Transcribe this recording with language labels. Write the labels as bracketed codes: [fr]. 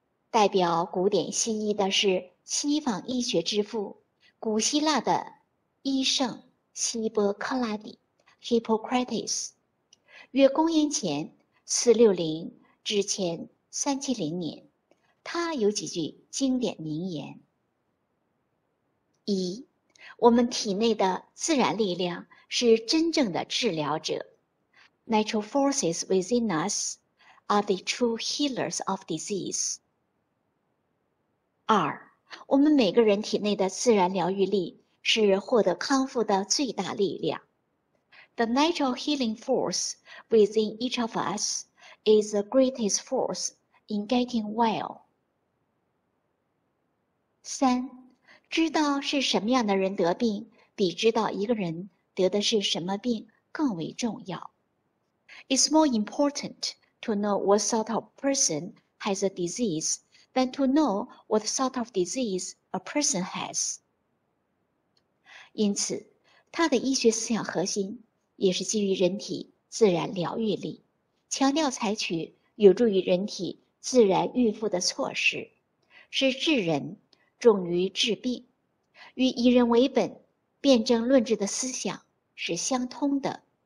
[zh] 代表古典西医的是西方医学之父，古希腊的医圣希波克拉底 Hippocrates， 约公元前460至前370年，他有几句经典名言。一，我们体内的自然力量是真正的治疗者。 [en] Natural forces within us are the true healers of disease. [zh] 二，我们每个人体内的自然疗愈力是获得康复的最大力量。 [en] The natural healing force within each of us is the greatest force. In getting well. [zh] 三，知道是什么样的人得病，比知道一个人得的是什么病更为重要。 [en] It's more important to know what sort of person has a disease than to know what sort of disease a person has. [zh] 因此，他的医学思想核心也是基于人体自然疗愈力，强调采取有助于人体自然预复的措施，是治人重于治病，与以人为本、辨证论治的思想是相通的。